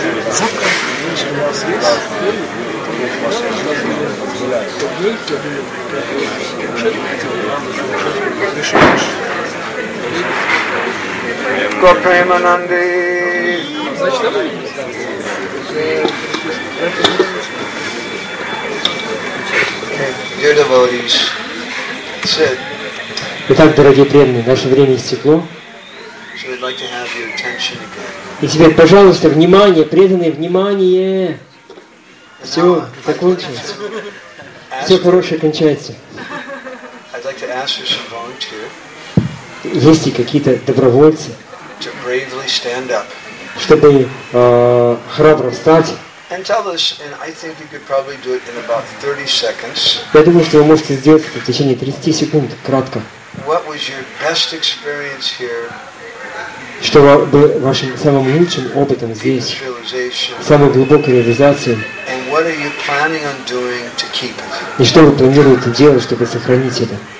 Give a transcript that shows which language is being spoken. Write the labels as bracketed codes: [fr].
[ru] Завтра у вас есть? [en] Dear devotees, sit. [ru] Итак, дорогие преданные, наше время истекло. [en] So we'd like to have your attention again. [ru] И теперь, пожалуйста, внимание, преданные, внимание. Все, закончилось. Все хорошее кончается. [en] I'd like to ask for some volunteer. [ru] Есть ли какие-то добровольцы? [en] To bravely stand up. [ru] Чтобы храбро встать. [en] And tell us, and I think you could probably do it in about 30 seconds. [ru] Я думаю, что вы можете сделать это в течение 30 секунд, кратко. [en] What was your best experience here? [ru] Что было вашим самым лучшим опытом здесь? Самой глубокой реализацией? [en] And what are you planning on doing to keep it? [ru] И что вы планируете делать, чтобы сохранить это?